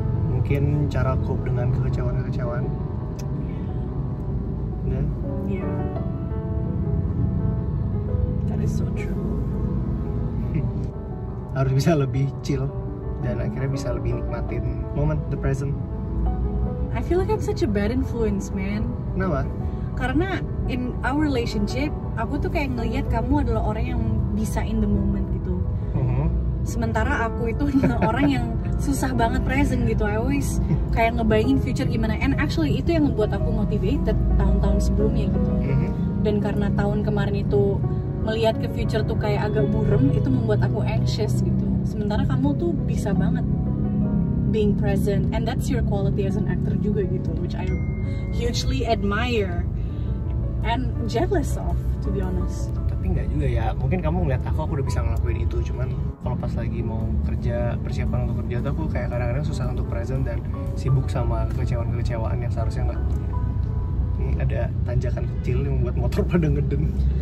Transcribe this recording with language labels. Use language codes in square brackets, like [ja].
[id] Mungkin cara cope dengan kekecewaan-kekecewaan. Iya. [en] Yeah. That is so true. [id] Harus bisa lebih chill dan akhirnya bisa lebih nikmatin moment, [en] the present. I feel like I'm such a bad influence, man. [id] Kenapa? Karena [en] in our relationship, [id] aku tuh kayak ngelihat kamu adalah orang yang bisa [en] in the moment [id] gitu. Sementara aku itu orang yang susah banget present gitu. [en] I always [id] kayak ngebayangin future gimana. [en] And actually [id] itu yang membuat aku motivated tahun-tahun sebelumnya gitu. Dan karena tahun kemarin itu melihat ke future tuh kayak agak burem, itu membuat aku anxious gitu. Sementara kamu tuh bisa banget [en] being present, and that's your quality as an actor [id] juga gitu, [en] which I hugely admire and jealous of, to be honest. [id] Tapi enggak juga ya, mungkin kamu ngeliat aku udah bisa ngelakuin itu, cuman kalau pas lagi mau kerja, persiapan untuk kerja tuh aku kayak kadang-kadang susah untuk present dan sibuk sama kecewaan-kecewaan yang seharusnya enggak. Ini ada tanjakan kecil yang membuat motor pada ngeden.